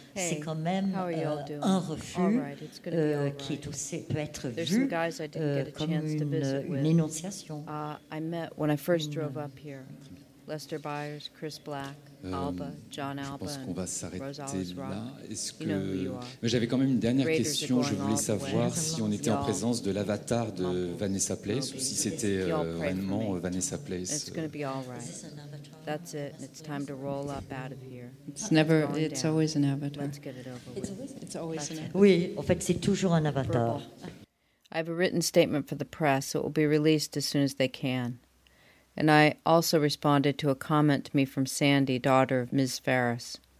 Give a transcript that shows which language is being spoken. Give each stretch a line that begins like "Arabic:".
French: C'est quand même un refus qui est aussi, peut être vu comme une énonciation.
English: I met when I first drove up here. Lester Byers, Chris Black, Alba, John Alba.
French: Je pense qu'on va s'arrêter là. Est-ce que mais j'avais quand même une dernière question. Je voulais savoir si on était en présence de l'avatar de Vanessa Place ou si c'était vraiment Vanessa Place.
English: It's going to be all right. That's it. It's time to roll up out of here. It's always an avatar. Let's get it over with. It's always an avatar.
French: Oui, en fait, c'est toujours un avatar.
English: I have a written statement for the press, so it will be released as soon as they can. And I also responded to a comment to me from Sandy, daughter of Ms. Ferris.